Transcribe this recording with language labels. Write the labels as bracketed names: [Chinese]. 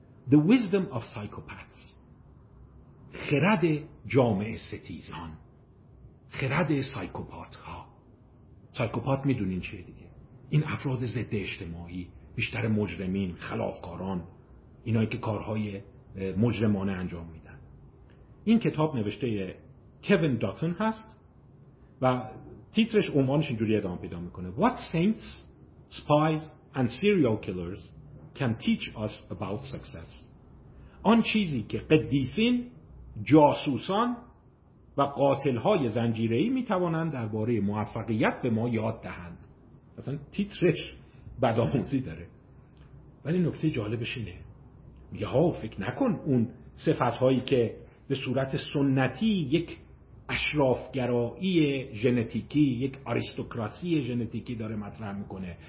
[English] The Wisdom of Psychopaths، [Persian] خرد جامعه ستیزان، خرد سایکوپات ها. سایکوپات میدونین چیه دیگه، این افراد ضد اجتماعی، بیشتر مجرمین، خلافکاران، اینایی که کارهای مجرمانه انجام میدن. این کتاب نوشته کوین داتون هست و تیترش عنوانش اینجوری ادامه پیدا میکنه: [English] What saints, spies and serial killers can teach us about success. [Persian] آن چیزی که قدیسین، جاسوسان و قاتل‌های زنجیره‌ای می‌توانند درباره موفقیت به ما یاد دهند. اصلا تیترش بدآموزی داره. ولی نکته جالبش اینه. میگه ها فکر نکن اون صفت‌هایی که به صورت سنتی یک اشرافگرایی ژنتیکی، یک آریستوکراسی ژنتیکی داره مطرح می‌کنه.